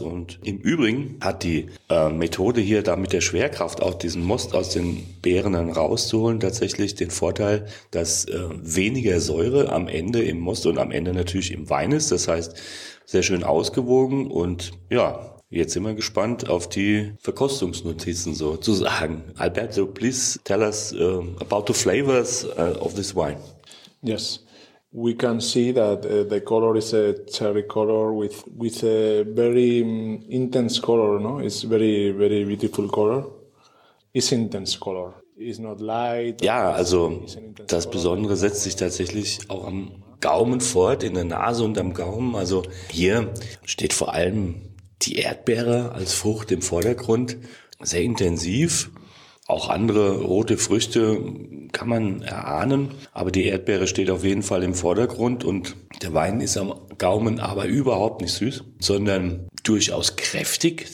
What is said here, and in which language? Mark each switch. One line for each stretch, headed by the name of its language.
German: Und im Übrigen hat die Methode hier, da mit der Schwerkraft auch diesen Most aus den Beeren dann rauszuholen, tatsächlich den Vorteil, dass weniger Säure am Ende im Most und am Ende natürlich im Wein ist. Das heißt, sehr schön ausgewogen. Und ja, jetzt sind wir gespannt auf die Verkostungsnotizen sozusagen.
English: Alberto, please tell us about the flavors of this wine. Yes. We can see that the color is a cherry color with a very intense color, no? It's very, very beautiful color. It's intense color. It's not light.
German: Ja, also das Besondere setzt sich tatsächlich auch am Gaumen fort, in der Nase und am Gaumen. Also hier steht vor allem die Erdbeere als Frucht im Vordergrund. Sehr intensiv. Auch andere rote Früchte kann man erahnen, aber die Erdbeere steht auf jeden Fall im Vordergrund und der Wein ist am Gaumen aber überhaupt nicht süß, sondern durchaus kräftig.